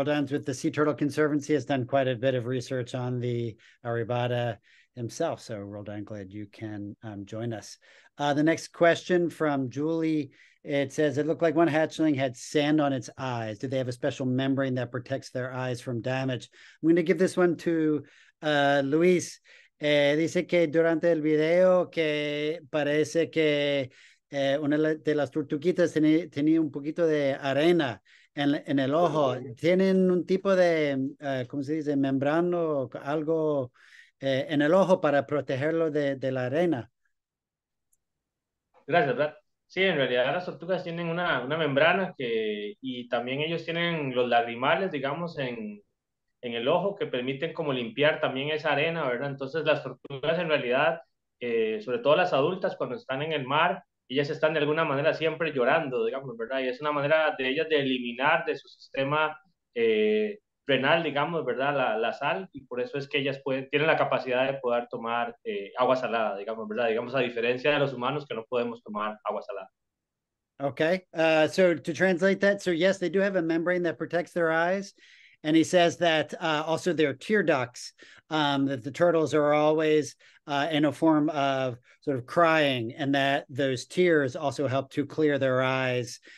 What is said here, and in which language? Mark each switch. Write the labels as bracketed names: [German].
[English] Roldan's with the Sea Turtle Conservancy, has done quite a bit of research on the Arribada himself. So Roldan, glad you can join us. The next question from Julie, it says, it looked like one hatchling had sand on its eyes. Do they have a special membrane that protects their eyes from damage? I'm going to give this one to Luis. [Spanish] Dice que durante el video que parece que una de las tortuguitas tenía un poquito de arena en el ojo. ¿Tienen un tipo de, cómo se dice, membrano o algo en el ojo para protegerlo de la arena. Gracias, Brad. Sí, en realidad las tortugas tienen una membrana que, y también ellos tienen los lagrimales, digamos, en el ojo, que permiten como limpiar también esa arena, ¿verdad? Entonces las tortugas en realidad, sobre todo las adultas, cuando están en el mar, ellas están de alguna manera siempre llorando, digamos, ¿verdad? Y es una manera de ellas de eliminar de su sistema renal, digamos, ¿verdad? La sal, y por eso es que ellas pueden, tienen la capacidad de poder tomar agua salada, digamos, ¿verdad? Digamos, a diferencia de los humanos que no podemos tomar agua salada. [English] Okay, so to translate that, so yes, they do have a membrane that protects their eyes. And he says that also their tear ducts, that the turtles are always in a form of sort of crying, and that those tears also help to clear their eyes.